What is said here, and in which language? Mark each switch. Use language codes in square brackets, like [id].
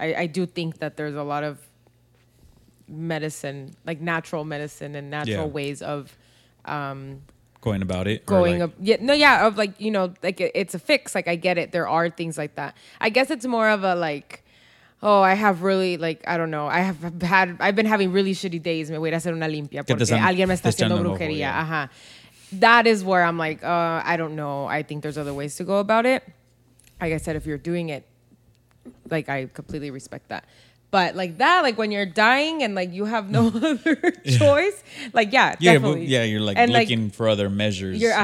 [en] I do think that there's a lot of medicine, like natural medicine and natural ways of going about it. It's a fix. Like, I get it. There are things like that. I guess it's more of a like, oh, I have really, like, I don't know. I've been having really shitty days. [es] Me voy a hacer una limpia porque alguien me está haciendo brujería. [en] Yeah. Ajá. That is where I'm like, I don't know. I think there's other ways to go about it. Like I said, if you're doing it, like, I completely respect that. But like that, like when you're dying and like you have no other choice, like, yeah, definitely. Yeah, you're like, and looking, like, for other measures.